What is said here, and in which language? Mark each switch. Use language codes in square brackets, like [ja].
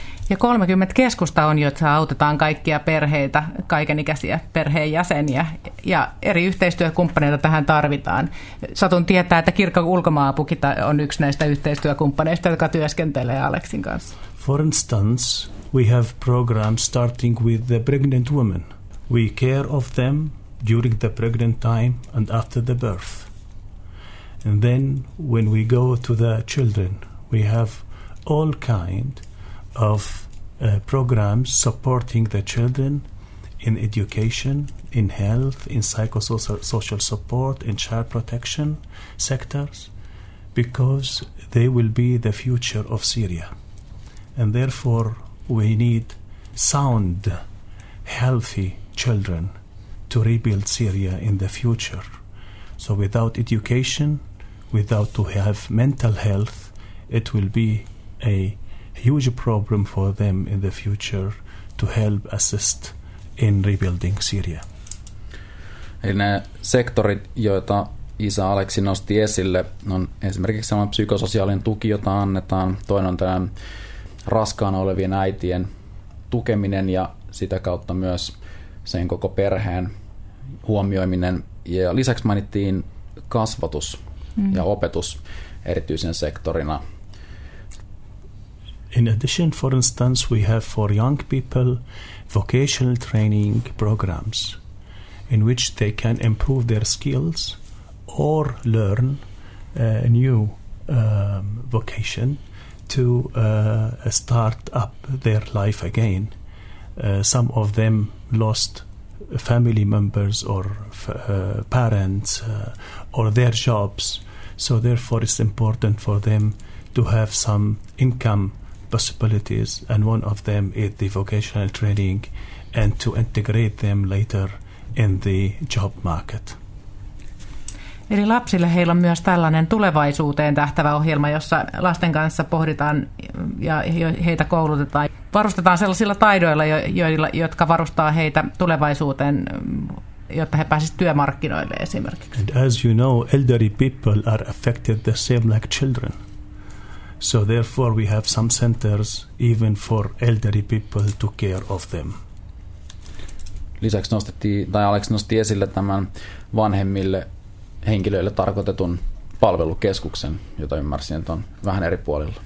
[fi] Ja 30 keskusta on, joissa autetaan kaikkia perheitä, kaikenikäisiä perheenjäseniä, ja eri yhteistyökumppaneita tähän tarvitaan. Satun tietää, että kirkon ulkomaanapukin on yksi näistä yhteistyökumppaneista, jotka työskentelee Aleksin kanssa. [en] For instance, we have programs starting with the pregnant women. We care of them during the pregnant time and after the birth. And then when we go to the children, we have all kind of programs supporting the children in education, in health, in psychosocial support, in child protection sectors, because they will be the future of Syria. And therefore, we need sound, healthy children to rebuild Syria in the future. So without education, without to have mental health, it will be a huge problem for them in the future to help assist in rebuilding Syria. [fi] Eli nämä sektorit, joita isä Aleksi nosti esille, on esimerkiksi sellainen psykososiaalinen tuki, jota annetaan. Toinen on tämä raskaana olevien äitien tukeminen ja sitä kautta myös sen koko perheen huomioiminen. Ja lisäksi mainittiin kasvatus ja opetus erityisen sektorina. [en] In addition, for instance, we have for young people vocational training programs in which they can improve their skills or learn a new vocation to start up their life again. Some of them lost family members or parents or their jobs, so therefore it's important for them to have some income possibilities, and one of them is the vocational training and to integrate them later in the job market. [fi] Eli lapsille heillä on myös tällainen tulevaisuuteen tähtävä ohjelma, jossa lasten kanssa pohditaan ja heitä koulutetaan. Varustetaan sellaisilla taidoilla, jotka varustaa heitä tulevaisuuteen, jotta he pääsisivät työmarkkinoille esimerkiksi. [en] And as you know, elderly people are affected the same like children. So therefore we have some centers even for elderly people to care of them. [fi] Lisäksi Aleksi nosti esille tämän vanhemmille henkilöille tarkoitetun palvelukeskuksen, jota ymmärsin, että on vähän eri puolilla.